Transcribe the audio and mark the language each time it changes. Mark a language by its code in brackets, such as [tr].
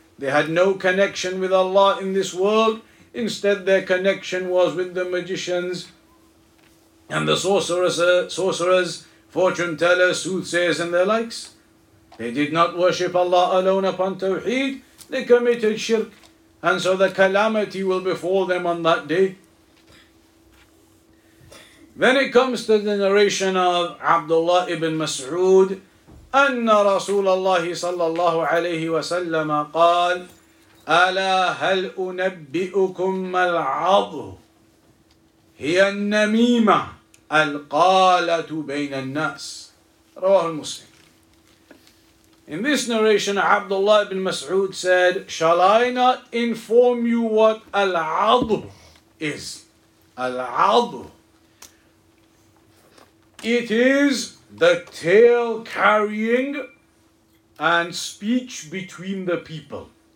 [en] They had no connection with Allah in this world. Instead, their connection was with the magicians and the sorcerers, fortune tellers, soothsayers, and their likes. They did not worship Allah alone upon Tawheed. They committed shirk. And so the calamity will befall them on that day. Then it comes to the narration of Abdullah ibn Mas'ud, [ar] أن رسول الله صلى الله عليه وسلم قال ألا هل أنبئكم العض هي النميمة القالة بين الناس. رواه المسلم. [en] In this narration, Abdullah ibn Mas'ud said, shall I not inform you what al-'adh is? Al-'adh. It is the tale carrying and speech between the people.